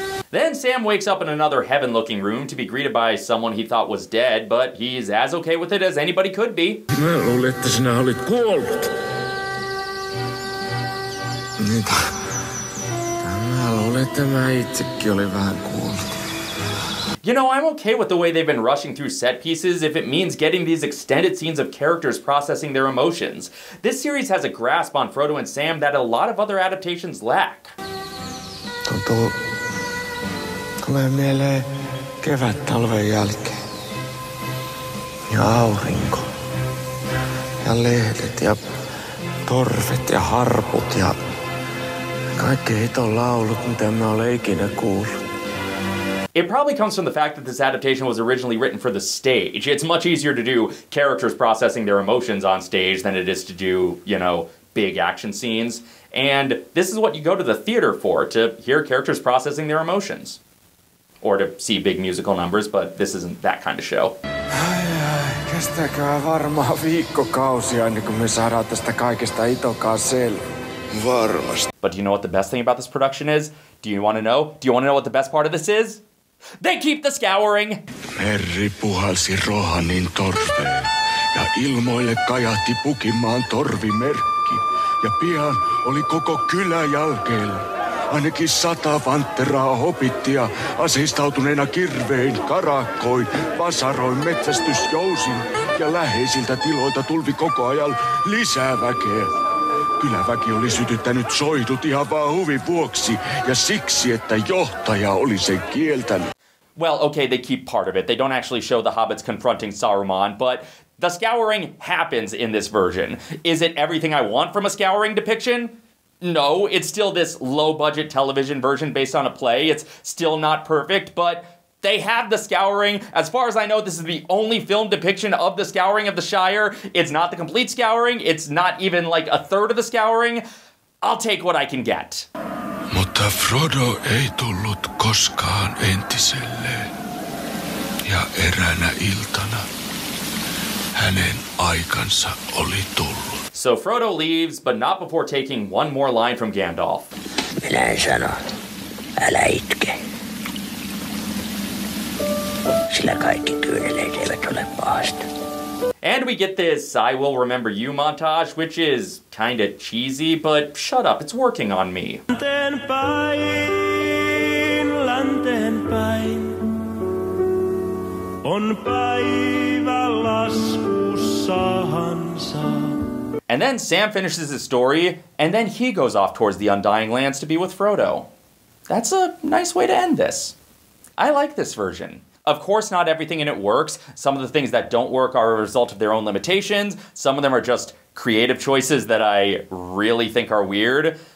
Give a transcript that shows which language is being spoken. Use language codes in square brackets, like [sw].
[en] Then Sam wakes up in another heaven-looking room to be greeted by someone he thought was dead, but he's as okay with it as anybody could be. [fi] Mä luulin, että sinä olit kuollut. Mitä? [en] You know, I'm okay with the way they've been rushing through set pieces if it means getting these extended scenes of characters processing their emotions. This series has a grasp on Frodo and Sam that a lot of other adaptations lack. [fi] Tulee mieleen kevät talven jälkeen. Ja aurinko. Ja lehdet ja torvet ja harput ja... Kaikki hiton laulut, mitä mä olen ikinä kuullut. [en] It probably comes from the fact that this adaptation was originally written for the stage. It's much easier to do characters processing their emotions on stage than it is to do, you know, big action scenes. And this is what you go to the theater for, to hear characters processing their emotions. Or to see big musical numbers, but this isn't that kind of show. [fi] Ai, kestäkää varmaan viikkokausia ennen kuin me saadaan tästä kaikesta itokaa selvä. [en] But do you know what the best thing about this production is? Do you want to know? Do you want to know what the best part of this is? They keep the scouring! [fi] Merri puhalsi Rohanin torveen, ja ilmoille kajahti Pukinmaan torvimerkki. Ja pian oli koko kylä jälkeellä. Ainakin 100 vantteraa hobittia aseistautuneena kirvein, karakkoin, vasaroin, metsästysjousin. Ja läheisiltä tiloilta tulvi koko ajan lisää väkeä. Kyläväki oli sytyttänyt soitut ihan vaan huvin vuoksi, ja siksi, että johtaja oli sen kieltänyt. [en] Well, okay, they keep part of it. They don't actually show the hobbits confronting Saruman, but the scouring happens in this version. Is it everything I want from a scouring depiction? No, it's still this low-budget television version based on a play. It's still not perfect, but they have the scouring. As far as I know, this is the only film depiction of the scouring of the Shire. It's not the complete scouring. It's not even like a third of the scouring. I'll take what I can get. [fi] Mutta Frodo ei tullut koskaan entiselleen. Ja eräänä iltana hänen aikansa oli tullut. [en] So Frodo leaves, but not before taking one more line from Gandalf. [fi] Minä en sano, älä itke. Sillä kaikki kyyneleet eivät ole pahasta. [en] And we get this I Will Remember You montage, which is kind of cheesy, but shut up, it's working on me. [fi] Länteen päin, länteen päin. On päivä laskussahansa. [en] And then Sam finishes his story, and then he goes off towards the Undying Lands to be with Frodo. That's a nice way to end this. I like this version. Of course, not everything in it works. Some of the things that don't work are a result of their own limitations. Some of them are just creative choices that I really think are weird.